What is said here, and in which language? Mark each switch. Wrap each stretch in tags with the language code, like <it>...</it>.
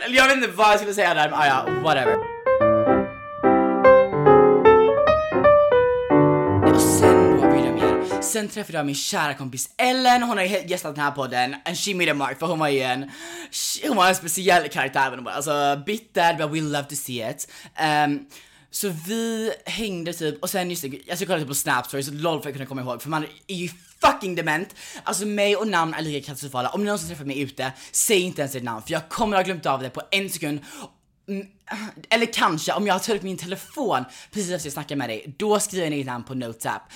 <sv>Eller jag vet inte vad jag skulle säga där. Men ja, whatever. Och sen då började jag med. Sen träffade jag min kära kompis Ellen. Hon har ju gästat den här podden.</sv> <en>And she made a mark.</en> <sv>För hon var ju en, hon var en speciell karaktär. Alltså bitter,</sv> <en>but we love to see it.</en> <sv>Så vi hängde typ. Och sen just det, jag skulle kolla typ på Snapstory. Så lol för att kunna komma ihåg. För man är ju fucking dement. Alltså mig och namn är lika katastrofala. Om ni någonsin träffar mig ute, säg inte ens ditt namn. För jag kommer att ha glömt av det på en sekund. Eller kanske om jag har tagit min telefon precis efter jag snackar med dig, då skriver ni ditt namn på Notes app.</sv>